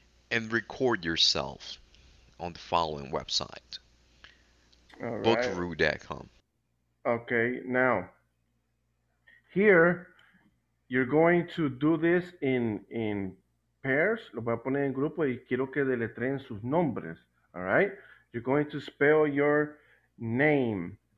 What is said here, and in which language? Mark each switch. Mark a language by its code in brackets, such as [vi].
[en] And record yourself on the following website. All bookroo.com. Right. Okay, now here you're going to do this in pairs. [es] Lo voy a poner en grupo y quiero que deletreen sus nombres. [en] All right, you're going to spell your name.